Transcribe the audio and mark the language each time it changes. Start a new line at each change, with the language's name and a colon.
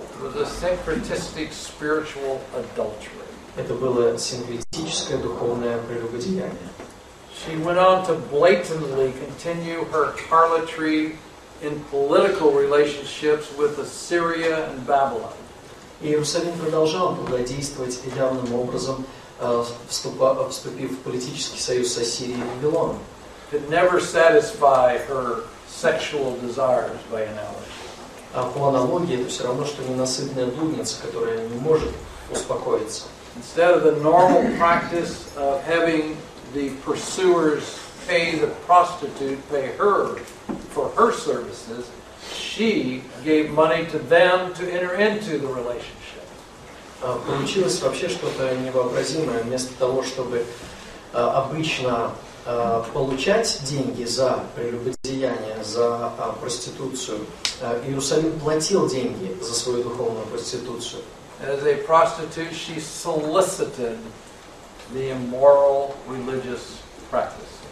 English: It was a syncretistic spiritual adultery.
Russian: Это было синкретическое духовное прелюбодеяние.
English: She went on to blatantly continue her harlotry in political relationships with Assyria and Babylon.
Russian: Иерусалим продолжал благодействовать явным образом, вступив в политический союз с Ассирией и Вавилоном.
English: Could never satisfy her sexual desires by analogy.
Russian: А по аналогии это все равно, что ненасытная блудница, которая не может успокоиться.
English: Instead of the normal practice of having the pursuers pay the prostitute, pay her for her services, she gave money to them to enter into the relationship.
Russian: Получилось вообще что-то невообразимое. Вместо того, чтобы обычно получать деньги за прелюбодеяние, за проституцию, Иерусалим платил деньги за свою духовную проституцию.
English: As a prostitute, she solicited the immoral religious practice.